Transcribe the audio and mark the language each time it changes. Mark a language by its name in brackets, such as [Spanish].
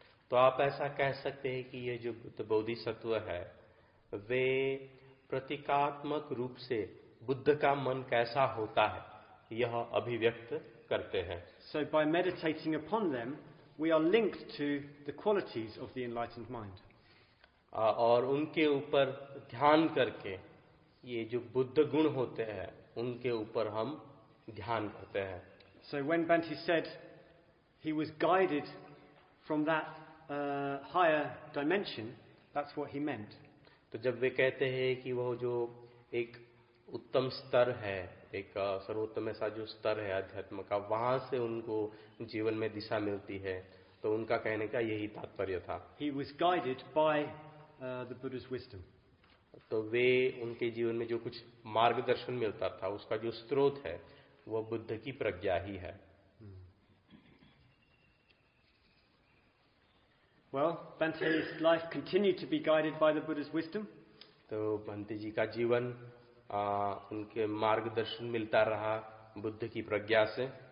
[Hindi] तो आप ऐसा कह सकते हैं कि ये जो बोधिसत्व है वे प्रतीकात्मक रूप से बुद्ध का मन कैसा होता है यह अभिव्यक्त करते हैं. [English] So by meditating upon them, we are linked to the qualities of the enlightened mind. [Hindi] और उनके ऊपर ध्यान करके ये जो बुद्ध गुण होते हैं उनके ऊपर हम ध्यान करते हैं. [English] So when Bhante said he was guided from that higher dimension, that's what he meant. [Hindi] तो जब वे कहते हैं कि वह जो एक उत्तम स्तर है, एक सर्वोत्तम ऐसा जो स्तर है अध्यात्म का, वहां से उनको जीवन में दिशा मिलती है, तो उनका कहने का यही तात्पर्य था. [English] He was guided by the Buddha's wisdom. [Hindi] तो वे उनके जीवन में जो कुछ मार्गदर्शन मिलता था उसका जो स्रोत है वह बुद्ध की प्रज्ञा ही है. [English] Well, Bhante's life continued to be guided by the Buddha's wisdom. [Hindi] तो भंते जी का जीवन उनके मार्गदर्शन मिलता रहा बुद्ध की प्रज्ञा से.